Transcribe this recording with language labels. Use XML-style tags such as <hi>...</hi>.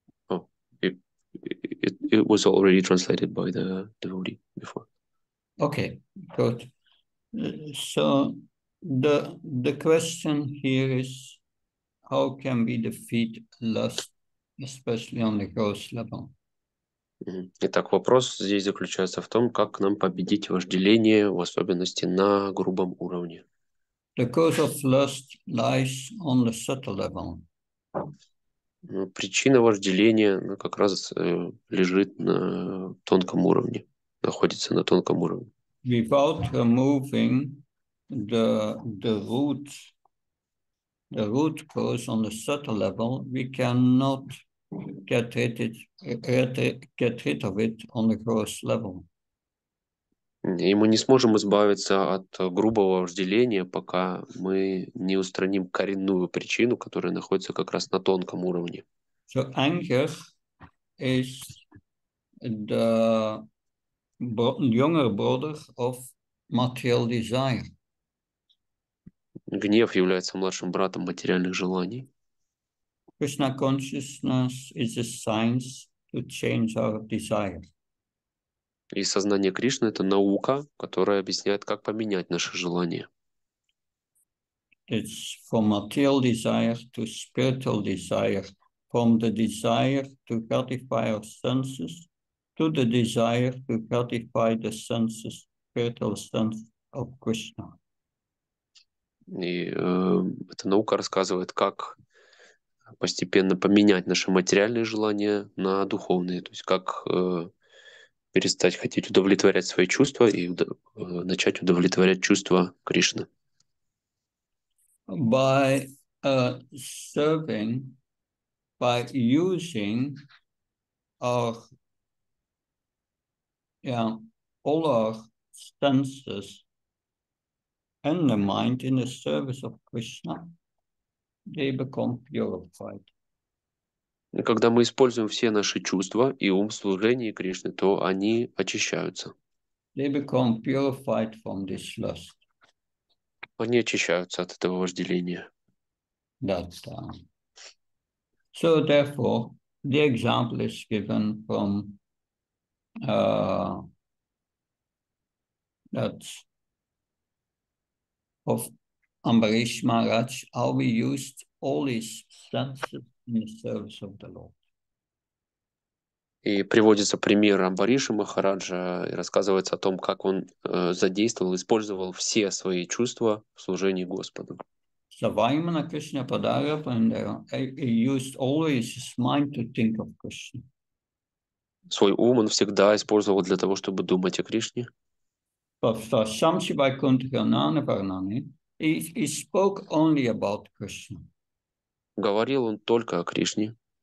<en>Oh, it was already translated by the devotee before. Okay, good. So the question here is, how can we defeat lust, especially on the gross level?</en> <ru>Итак, вопрос здесь заключается в том, как нам победить вожделение, в особенности на грубом уровне.</ru> <en>The cause of lust lies on the subtle level.</en> <ru>Причина вожделения, ну, как раз лежит на тонком уровне, находится на тонком уровне.</ru> <en>Without removing the root cause on the subtle level, we cannot get rid of it on the gross level.</en> <ru>И мы не сможем избавиться от грубого вожделения, пока мы не устраним коренную причину, которая находится как раз на тонком уровне.</ru> <en>So anger is the younger brother of material desire.</en> <ru>Гнев является младшим братом материальных желаний.</ru> <en>Krishna consciousness is a science to change our desire.</en> <ru>И сознание Кришны – это наука, которая объясняет, как поменять наши желания.</ru> <en>It's from material desire to spiritual desire, from the desire to gratify our senses to the desire to gratify the senses, spiritual sense of Krishna.</en> <ru>И эта наука рассказывает, как постепенно поменять наши материальные желания на духовные, то есть как перестать хотеть удовлетворять свои чувства и начать удовлетворять чувства Кришны.</ru> <en>By serving, by using our, yeah, all our senses and the mind in the service of Krishna, they become purified.</en> <ru>Когда мы используем все наши чувства и ум в служении Кришны, то они очищаются.</ru> <en>They become purified from this lust.</en> <ru>Они очищаются от этого вожделения.</ru> <en>That's so therefore, the example is given from that's of Ambarish Maharaj, how we used all his senses in the service of the Lord.</en> <ru>И приводится пример Амбариши Махараджа, и рассказывается о том, как он задействовал, использовал все свои чувства в служении Господу.</ru> <en>So Vaimana Krishna Padarava, and he used always his mind to think of Krishna.</en> <ru>Свой ум он всегда использовал для того, чтобы думать о Кришне.</ru> <en>He spoke only about Krishna.</en> <ru>Говорил он только о Кришне.</ru>